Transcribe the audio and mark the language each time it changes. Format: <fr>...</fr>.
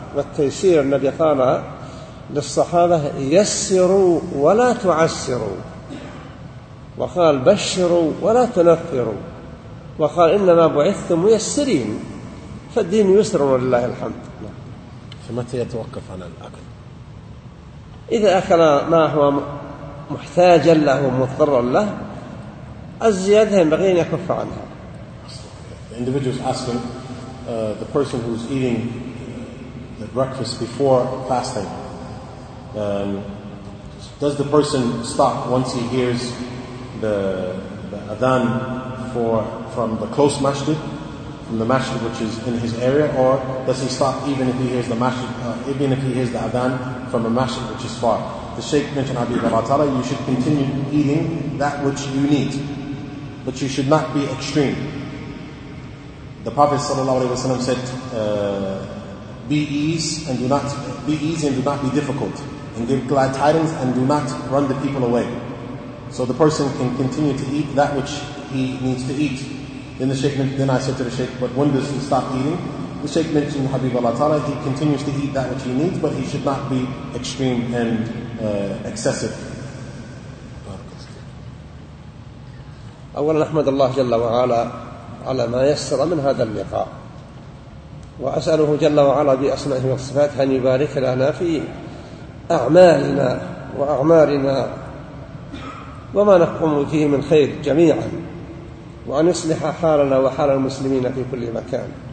<ar>والتيسير النبي قال للصحابة يسروا ولا تعسروا، وقال بشروا ولا تنفروا، وقال إنما بعثتم ميسرين، فالدين يسر ولله الحمد. فمتى يتوقف عن الأكل؟ إذا أكل ما هو محتاجا له ومضطرا له الزيادة ينبغي أن يكف عنها.</ar> <en>The individual is asking the person who is eating the breakfast before fasting, does the person stop once he hears the adhan from the close masjid, from the masjid which is in his area, or does he stop even if he hears the masjid, even if he hears the adhan from a masjid which is far? The Shaykh mentioned Abi Baratala, you should continue eating that which you need, but you should not be extreme. The Prophet sallallahu alaihi wasallam said, "Be easy and do not be difficult, and give glad tidings, and do not run the people away." So the person can continue to eat that which he needs to eat. Then I said to the Shaykh, but when does he stop eating? The Shaykh mentioned Habib Allah Ta'ala, he continues to eat that which he needs, but he should not be extreme and excessive.</en> <ar>أولا أحمد الله جل وعلا على ما يسر من هذا اللقاء، وأسأله جل وعلا بأسمائه وصفاته أن يبارك لنا في أعمالنا وأعمارنا وما نقوم فيه من خير جميعا، وأن يصلح حالنا وحال المسلمين في كل مكان،</ar>